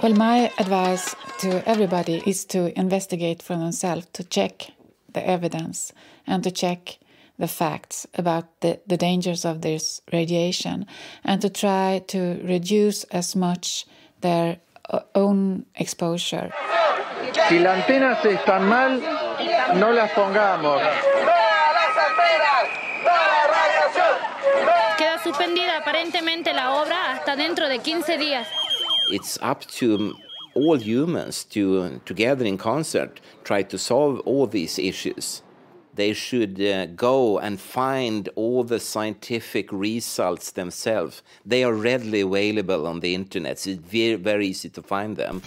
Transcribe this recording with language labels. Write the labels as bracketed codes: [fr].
[en] Well, my advice to everybody is to investigate for themselves, to check the evidence and to check the facts about the dangers of this radiation, and to try to reduce as much their own exposure. [es] Si las antenas están mal, no las pongamos. Queda suspendida aparentemente la obra hasta dentro de 15 días. [en] It's up to all humans to together in concert try to solve all these issues. they should go and find all the scientific results themselves. They are readily available on the internet, so it's very, very easy to find them.